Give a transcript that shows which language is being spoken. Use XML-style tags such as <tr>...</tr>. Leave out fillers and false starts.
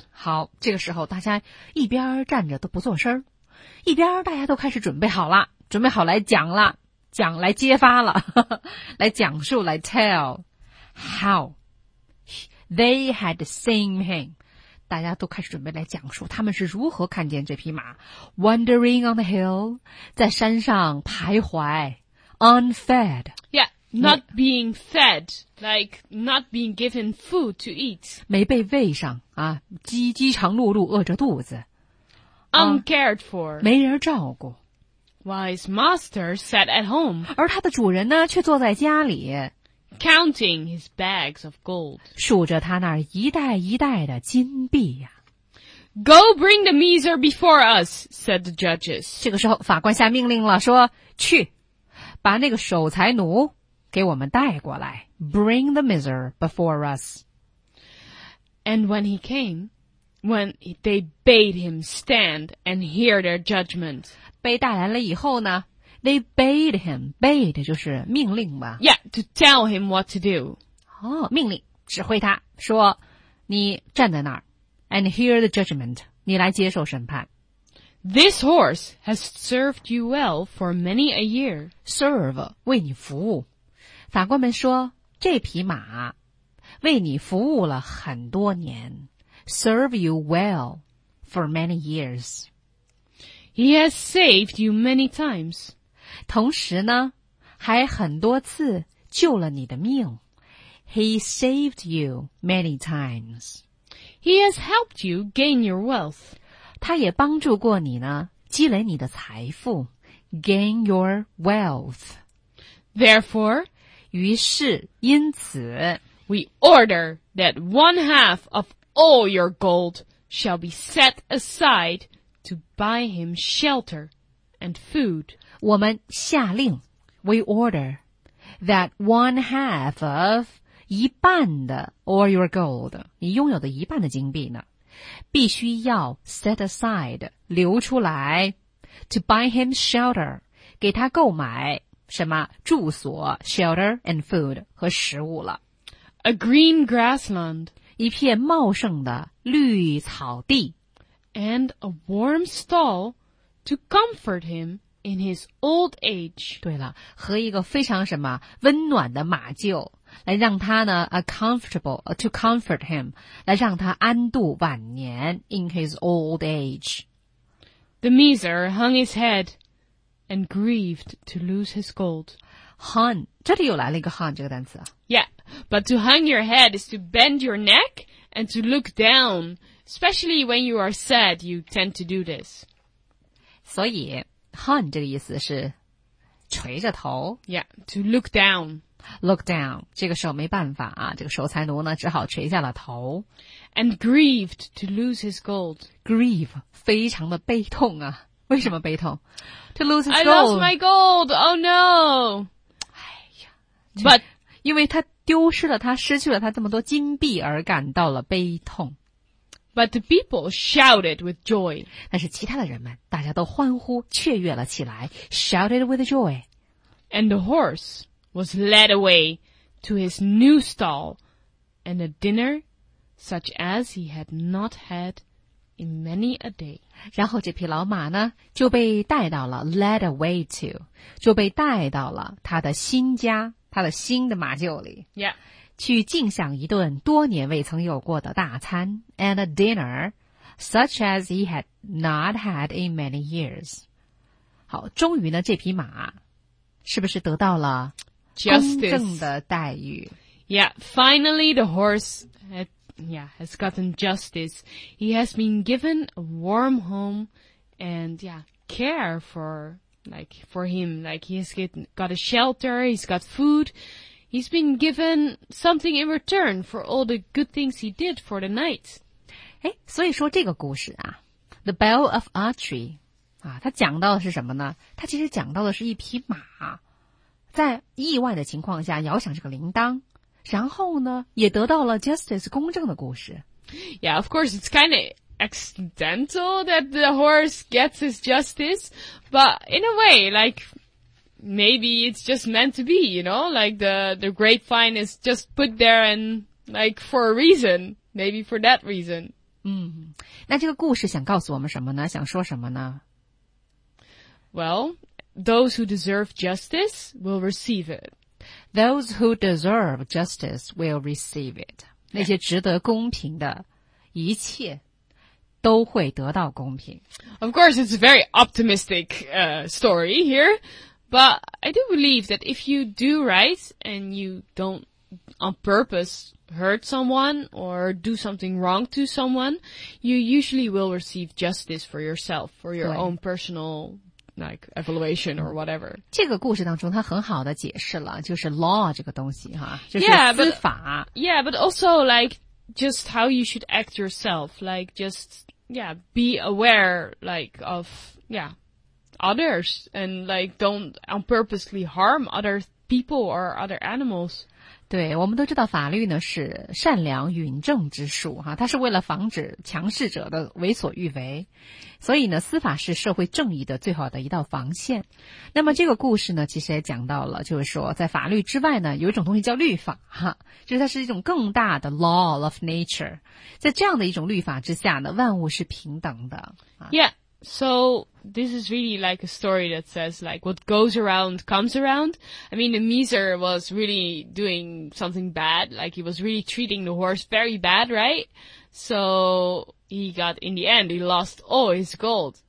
<zh>好，这个时候大家一边站着都不做声，一边大家都开始准备好了，准备好来讲了，讲来揭发了，呵呵，来讲述，来</zh> <en>tell how they had seen him.</en> <zh>大家都开始准备来讲述他们是如何看见这匹马</zh> <en>wandering on the hill,</en> <zh>在山上徘徊</zh> <en>unfed. Yeah, not being fed, like not being given food to eat.</en> <zh>没被喂上啊，饥肠辘辘，饿着肚子。</zh> <en>Uncared for.</en> <zh>没人照顾。</zh> <en>While his master sat at home.</en> <zh>而他的主人呢却坐在家里。</zh> <en>Counting his bags of gold.</en> <zh>数着他那一袋一袋的金币呀。</zh> <en>Go bring the miser before us, said the judges.</en> <zh>这个时候法官下命令了，说去把那个守财奴给我们带过来。</zh> <en>Bring the miser before us. And when he came,When they bade him stand and hear their judgment.</en> <zh>被带来了以后呢</zh> <en>they bade him,</en> <zh>bade 就是命令吧。</zh> <en>Yeah, to tell him what to do.</en> <zh>哦，命令，指挥他，说你站在那儿</zh> <en>and hear the judgment,</en> <zh>你来接受审判。</zh> <en>This horse has served you well for many a year.</en> <zh>Serve, 为你服务。法官们说这匹马为你服务了很多年。</zh> <en>Serve you well for many years. He has saved you many times.</en> <zh>同时呢，还很多次救了你的命。</zh> <en>He saved you many times. He has helped you gain your wealth.</en> <zh>他也帮助过你呢，积累你的财富。</zh> <en>Gain your wealth. Therefore,</en> <zh>于是，因此</zh> <en>we order that one half of All your gold shall be set aside to buy him shelter and food.</en> <zh>我们下令</zh> <en>we order that one half of</en> <zh>一半的</zh> <en>all your gold,</en> <zh>你拥有的一半的金币呢必须要 set aside, 留出来</zh> <en>to buy him shelter,</en> <zh>给他购买什么住所</zh> <en>shelter and food</en> <zh>和食物了。</zh> <en>A green grassland.</en> <zh>一片茂盛的绿草地</zh> <en>，and a warm stall to comfort him in his old age.</en> <zh>对了，和一个非常什么温暖的马厩，来让他呢</zh> <en>a comfortable to comfort him,</en> <zh>来让他安度晚年</zh> <en>in his old age. The miser hung his head and grieved to lose his gold.</en> <zh>Hung, 这里又来了一个 hung 这个单词。</zh> <en>Yeah. But to hang your head is to bend your neck and to look down, especially when you are sad, you tend to do this.</en> <zh>所以 hung 这个意思是垂着头。</zh> <en>Yeah, to look down. Look down.</en> <zh>这个时候没办法啊，这个守财奴呢只好垂下了头。</zh> <en>And grieved to lose his gold.</en> <zh>Grieve, 非常的悲痛啊。为什么悲痛 ?</zh> <en>To lose his I gold. I lost my gold, oh no!</en> <zh>哎呀。</zh> <en>But,</en> <zh>因为他丢失了他失去了他这么多金币而感到了悲痛。</zh> <en>But the people shouted with joy.</en> <zh>但是其他的人们大家都欢呼雀跃了起来</zh> <en>shouted with joy. And the horse was led away to his new stall and a dinner such as he had not had in many a day.</en> <zh>然后这匹老马呢就被带到了</zh> <en>led away to,</en> <zh>就被带到了他的新家。他的新的马厩里、</zh> <en>yeah.</en> <zh>去尽享一顿多年未曾有过的大餐</zh> <en>and a dinner such as he had not had in many years.</en> <zh>好，终于呢这匹马是不是得到了公正的待遇、</zh> <en>justice. Yeah, finally the horse had, yeah, has gotten justice. He has been given a warm home and yeah, care forfor him, he's got a shelter, he's got food, he's been given something in return for all the good things he did for the night.</en> <zh>诶，所以说这个故事啊 ,The Bell of Archery, 啊，它讲到的是什么呢？它其实讲到的是一匹马，在意外的情况下摇响这个铃铛，然后呢也得到了 justice 公正的故事。</zh> <en>Yeah, of course, it's kind of accidental that the horse gets his justice, but in a way, like, maybe it's just meant to be, you know, like the grapevine is just put there and like for a reason, maybe for that reason.</en> <zh>嗯，那这个故事想告诉我们什么呢？想说什么呢？</zh> <en>Well, those who deserve justice will receive it. Those who deserve justice will receive it.</en> <zh>那些值得公平的一切都会得到公平。</zh> <en>Of course, it's a very optimistic, story here, but I do believe that if you do right and you don't on purpose hurt someone or do something wrong to someone, you usually will receive justice for yourself, for your own personal like evaluation or whatever.</en> <zh>这个故事当中他很好的解释了就是 law 这个东西哈，就是司法。</zh> <en>Yeah, but also like,just how you should act yourself, like just, yeah, be aware, like, of, yeah, others, and like, don't unpurposely harm other people or other animals.</en> <zh>对，我们都知道法律呢是善良允正之术哈，它是为了防止强势者的为所欲为，所以呢，司法是社会正义的最好的一道防线。那么这个故事呢，其实也讲到了，就是说在法律之外呢，有一种东西叫律法哈，就是它是一种更大的</zh> <en>law of nature。</en> <zh>在这样的一种律法之下呢，万物是平等的。</zh> <en>Yeah, so this is really like a story that says like what goes around comes around. I mean, the miser was really doing something bad, like he was really treating the horse very bad, right? So. He got, in the end, he lost all his gold.</en>